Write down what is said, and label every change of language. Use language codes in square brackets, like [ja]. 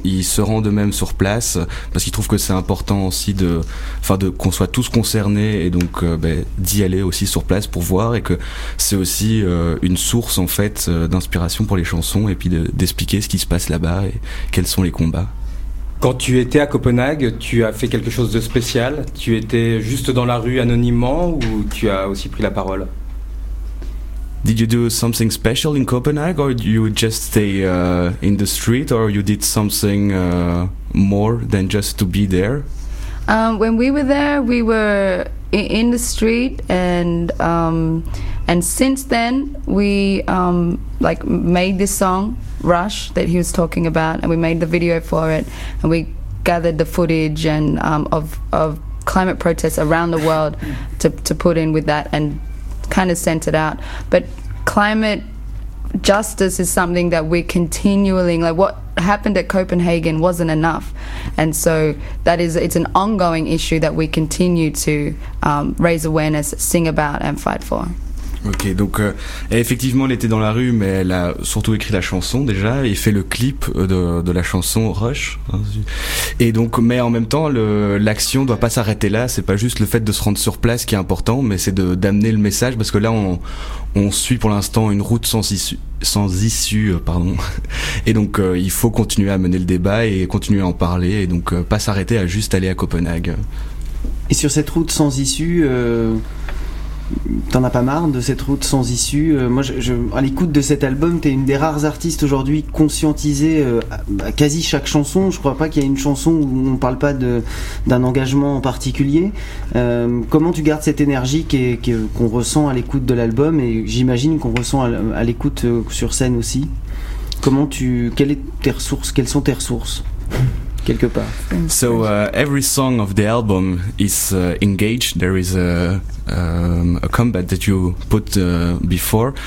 [fr] Il se rend de même sur place parce qu'il trouve que c'est important aussi de qu'on soit tous concernés, et donc d'y aller aussi sur place pour voir, et que c'est aussi une source en fait d'inspiration pour les chansons, et puis d'expliquer ce qui se passe là-bas et quels sont les combats. Quand tu étais à Copenhague, tu as fait quelque chose de spécial? Tu étais juste dans la rue anonymement ou tu as aussi pris la parole? [en] Did you do something special in Copenhague, or you just stay in the street, or you did something more than just to be there? When we were there, we were in the street, and since then we made this song Rush that he was talking about, and we made the video for it, and we gathered the footage and of climate protests around the world to put in with that and kind of sent it out. But climate justice is something that we're continually, like, what happened at Copenhagen wasn't enough, and so that is, it's an ongoing issue that we continue to raise awareness, sing about and fight for. [fr] Ok, donc effectivement elle était dans la rue, mais elle a surtout écrit la chanson déjà et fait le clip de la chanson Rush. Et donc, mais en même temps l'action doit pas s'arrêter là, c'est pas juste le fait de se rendre sur place qui est important, mais c'est d'amener le message, parce que là on suit pour l'instant une route sans issue. Et donc il faut continuer à mener le débat et continuer à en parler, et donc pas s'arrêter à juste aller à Copenhague. Et sur cette route sans issue, t'en as pas marre de cette route sans issue? Moi, à l'écoute de cet album, t'es une des rares artistes aujourd'hui conscientisée à quasi chaque chanson. Je crois pas qu'il y ait une chanson où on parle pas d'un engagement en particulier. Comment tu gardes cette énergie qu'on ressent à l'écoute de l'album, et j'imagine qu'on ressent à l'écoute sur scène aussi? Quelles sont tes ressources? Quelque part. [en] So every song of the album is engaged. There is a combat that you put before.